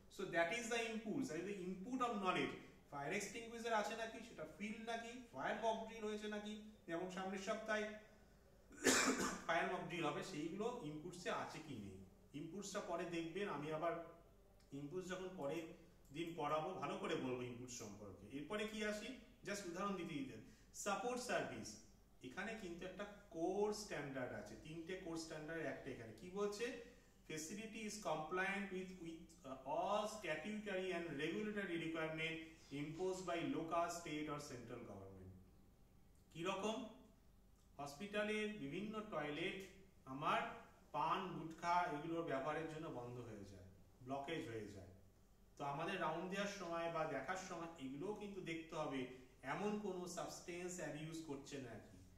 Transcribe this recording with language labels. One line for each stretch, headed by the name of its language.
English: so that is the inputs, that is the input of knowledge,
Bangla: fire extinguisher আছে নাকি, সেটা feel নাকি, fire mock drill হয়েছে নাকি, যেমন সামনের সপ্তাহে ফায়ার মক ড্রিল হবে, সেইগুলো ইনপুটসে আছে কি নেই, ইনপুটসটা পরে দেখবেন। আমি আবার ইনপুটস যখন পরে দিন পড়াবো ভালো করে বলবো ইনপুটস সম্পর্কে। এরপরে কি আসি, জাস্ট উদাহরণ দিতে দিতে সাপোর্ট সার্ভিস, এখানে কিন্তু একটা কোর স্ট্যান্ডার্ড আছে, তিনটে কোর স্ট্যান্ডার্ড একটা। এখানে কি বলছে,
English: facility is compliant with all statutory and regulatory requirement imposed by local, state or central government.
Bangla: কি রকম হসপিটালের বিভিন্ন টয়লেট আমার পান গুটখা এগুলোর ব্যবহারের জন্য বন্ধ হয়ে যায়, ব্লকেজ হয়ে যায়। তো আমাদের রাউন্ড দেওয়ার সময় বা দেখার সময় এগুলো কিন্তু দেখতে হবে এমন কোন সাবস্টেন্স অ্যাবিউজ করছে না কি।